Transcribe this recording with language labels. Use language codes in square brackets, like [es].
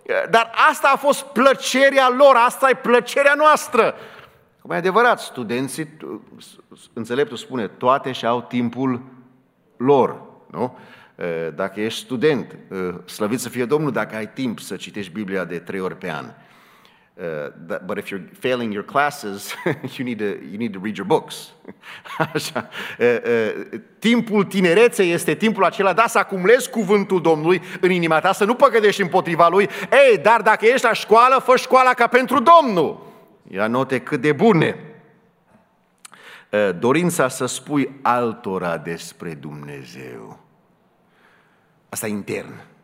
[ro] Dar asta a fost plăcerea lor, asta e plăcerea noastră. Cum e adevărat, studenții, înțeleptul spune, toate și-au timpul lor, nu? Dacă ești student, slăvit să fie Domnul, dacă ai timp să citești Biblia de 3 ori pe an. [en] But if you're failing your classes, you need to read your books. [ro] Așa. Timpul tinereței este timpul acela, da, să acumulezi cuvântul Domnului în inima ta, să nu păcădești împotriva Lui. Ei, dar dacă ești la școală, fă școala ca pentru Domnul. Ia note cât de bune. Dorința să spui altora despre Dumnezeu. Asta e intern.